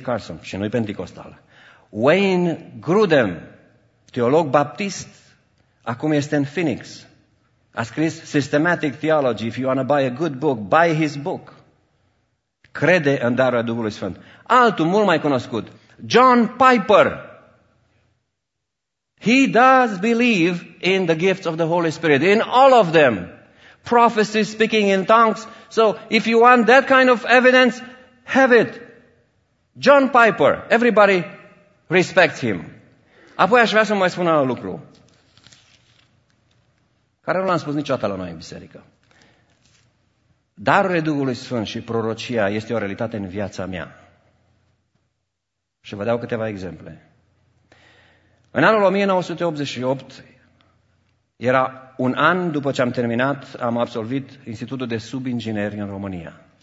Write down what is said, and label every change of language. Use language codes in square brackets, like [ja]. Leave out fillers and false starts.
[ro] Carson, și nu-i penticostal. Wayne Grudem, teolog baptist, acum este în Phoenix. A scris [en] Systematic Theology, if you want to buy a good book, buy his book. [ro] Crede în darurile Duhului Sfânt. Altul mult mai cunoscut, John Piper. [en] He does believe in the gifts of the Holy Spirit, in all of them. Prophecy, speaking in tongues. So if you want that kind of evidence, have it. John Piper, everybody respects him. [ro] Apoi aș vrea să mai spun un lucru, care nu l-am spus niciodată la noi în biserică. Darul Duhului Sfânt și prorocia este o realitate în viața mea. Și vă dau câteva exemple. În anul 1988, era un an după ce am terminat, am absolvit Institutul de Subingineri în România.